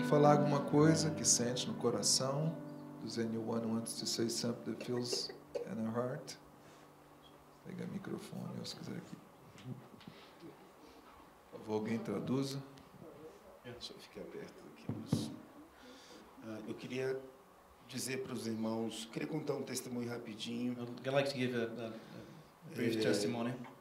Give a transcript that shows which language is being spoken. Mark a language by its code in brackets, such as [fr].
[pt] Alguma coisa que sente no coração? [en] Does anyone want to say something that feels in the heart? [pt] Pega o microfone, se quiser aqui. Por favor, alguém traduza. Deixa eu ficar perto aqui. Eu queria dizer para os irmãos, queria contar um testemunho rapidinho. [en] I'd like to give a brief testimony.